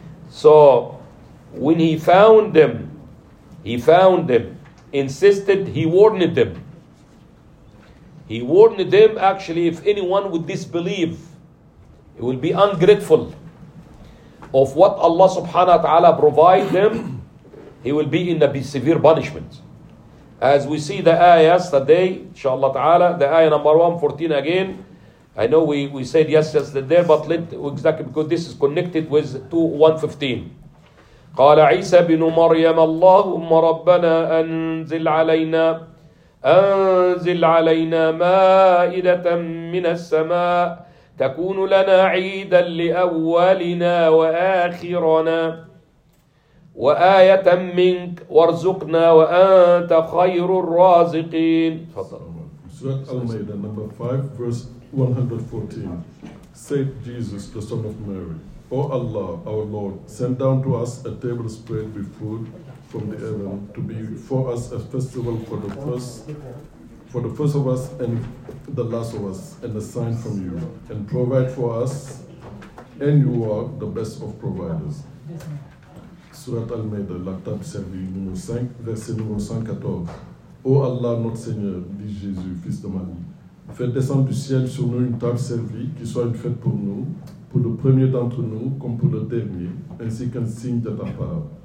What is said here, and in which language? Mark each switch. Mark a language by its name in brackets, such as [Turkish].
[English] So when he found them, insisted, he warned them, actually, if anyone would disbelieve, it will be ungrateful of what Allah subhanahu wa ta'ala provide them, he will be in a severe punishment. As we see the ayahs today, inshallah ta'ala, the ayah number 114 again. I know we said yes yesterday, but exactly because this is connected with 2:115. [Arabic] قال عيسى بن مريم اللهم ربنا أنزل علينا مائدة من السماء تكون لنا عيدا لأولنا وآخرنا وآية منك وارزقنا وأنت خير الرازقين. [English] Surah Al-Maidah number 5 verse 114. Said Jesus, the son of Mary, O Allah, our Lord, send down to us a table spread with food from the heaven to be for us a festival for the first of us and the last of us, and a sign from you, and provide for us, and you are the best of providers. [French] Surat Al-Maidah, l'actab servi, numéro 5, verset numéro 114. Ô Allah, notre Seigneur, dit Jésus, fils de Marie, fais descendre du ciel sur nous une table servie, qui soit une fête pour nous, pour le premier d'entre nous, comme pour le dernier, ainsi qu'un signe de ta part.